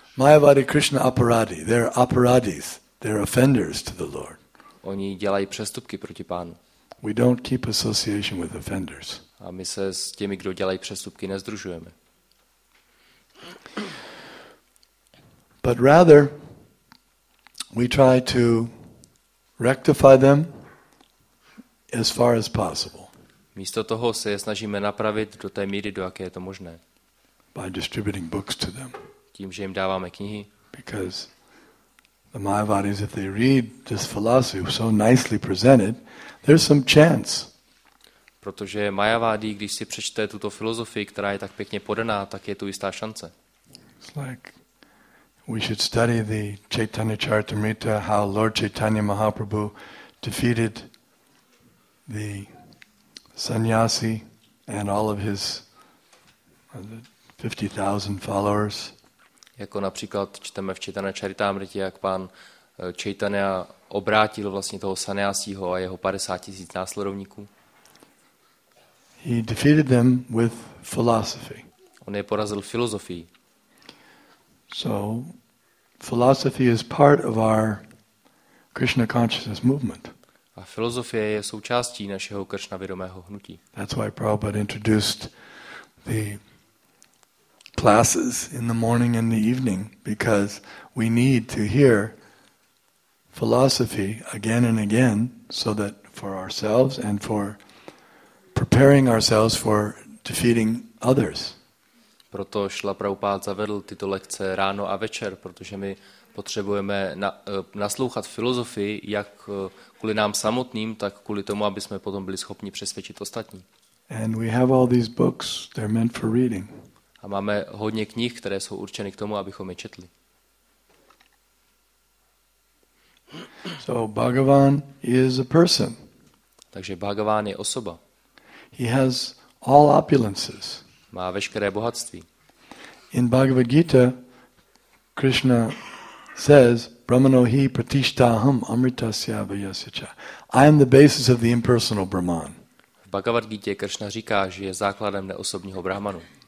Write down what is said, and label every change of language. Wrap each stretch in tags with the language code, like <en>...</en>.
<en>Mayavadi Krishna aparadi, they're aparadis, they're offenders to the Lord.</en> <cs>Oni dělají přestupky proti Pánu.</cs> <en>We don't keep association with offenders.</en> <cs>A my se s těmi, kdo dělají přestupky, nezdružujeme.</cs> <en>But rather, we try to rectify them as far as possible.</en> <cs>Místo toho se je snažíme napravit do té míry, do jaké je to možné.</cs> <en>By distributing books to them.</en> <cs>Tím, že jim dáváme knihy.</cs> <en>Because the Mayavadis, if they read this philosophy so nicely presented, there's some chance.</en> <cs>Protože Mayavadi, když si přečte tuto filozofii, která je tak pěkně podaná, tak je tu jistá šance.</cs> <en>It's like we should study the Chaitanya Charitamrita, how Lord Chaitanya Mahaprabhu defeated the sannyasi and all of his 50,000 followers.</en> <cs>Jako například čteme v Chaitanya Charitamritě, jak pán Chaitanya obrátil vlastně toho sannyasiho a jeho 50,000 následovníků.</cs> <en>He defeated them with philosophy.</en> <cs>On je porazil filozofii.</cs> <en>So philosophy is part of our Krishna consciousness movement.</en> <cs>A filozofie je součástí našeho Kršna vědomého hnutí.</cs> <en>That's why Prabhupada introduced the classes in the morning and the evening, because we need to hear philosophy again and again, so that for ourselves and for preparing ourselves for defeating others.</en> <cs>Proto Šrila Prabhupáda zavedl tyto lekce ráno a večer, protože my potřebujeme naslouchat filozofii jak kvůli nám samotným, tak kvůli tomu, aby jsme potom byli schopni přesvědčit ostatní.</cs> <en>And we have all these books, they're meant for reading.</en> <cs>A máme hodně knih, které jsou určeny k tomu, abychom je četli.</cs> <en>So Bhagavan is a person.</en> <cs>Takže Bhagavan je osoba.</cs> <en>He has all opulences.</en> <cs>Má veškeré bohatství.</cs> <en>In Bhagavad Gita Krishna says,</en> <sa>Brahmano hi pratishtaham amritasya vayasya.</sa> <en>I am the basis of the impersonal Brahman.</en> <cs>V Bhagavad Gita Krishna říká, že je základem neosobního Brahmanu.</cs>